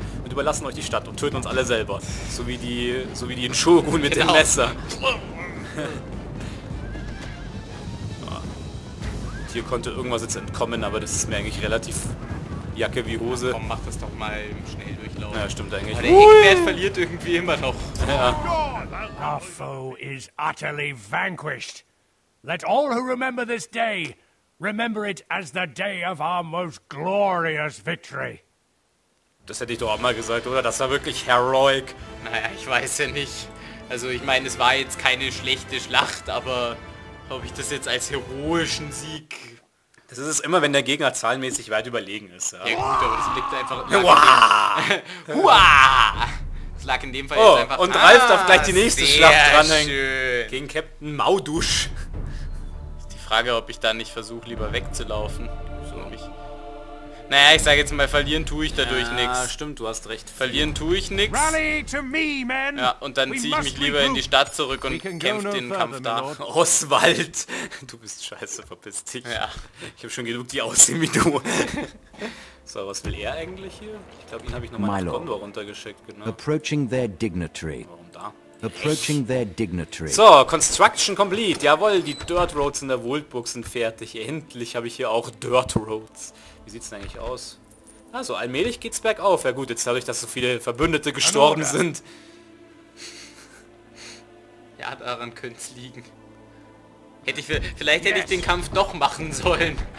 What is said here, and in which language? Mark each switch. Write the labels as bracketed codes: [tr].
[de] Überlassen euch die Stadt und töten uns alle selber. So wie die in Shogun mit dem Messer. Und hier konnte irgendwas jetzt entkommen, aber das ist mir eigentlich relativ Jacke wie Hose. Komm, mach das doch mal im Schnelldurchlauf. Ja, stimmt eigentlich. Aber der Eckbert verliert irgendwie immer noch. Ja. [en] Our foe is utterly vanquished. Let all who remember this day remember it as the day of our most glorious victory. [de] Das hätte ich doch auch mal gesagt, oder? Das war wirklich heroic. Naja, ich weiß ja nicht. Also ich meine, es war jetzt keine schlechte Schlacht, aber ob ich das jetzt als heroischen Sieg... Das ist es immer, wenn der Gegner zahlenmäßig weit überlegen ist. Ja, ja gut, aber das liegt einfach... Das lag in dem Fall jetzt einfach... Und Ralf darf gleich die nächste Schlacht dranhängen. Gegen Captain Maudusch. Ist die Frage, ob ich da nicht versuche, lieber wegzulaufen. So. Naja, ich sage jetzt mal, verlieren tue ich dadurch nichts. Ja, stimmt, du hast recht. Verlieren tue ich nichts. [en] Rally to me, man! [de] Ja, und dann ziehe ich mich lieber in die Stadt zurück und kämpfe den Kampf da. Oswald! Du bist scheiße, verpiss dich. Ja. Ich habe schon genug, die aussehen wie du. So, was will er eigentlich hier? Ich glaube, ihn habe ich nochmal in den Kondor runtergeschickt, genau. [en] Approaching their dignitary. [de] Warum da? [en] Approaching their dignitary. So, Construction complete. [de] Jawohl, die Dirt Roads in der Wildburg sind fertig. Endlich habe ich hier auch Dirt Roads. Wie sieht's denn eigentlich aus? Also allmählich geht's bergauf. Ja gut, jetzt dadurch, dass so viele Verbündete gestorben sind. Ja, daran könnte es liegen. Vielleicht hätte ich den Kampf doch machen sollen.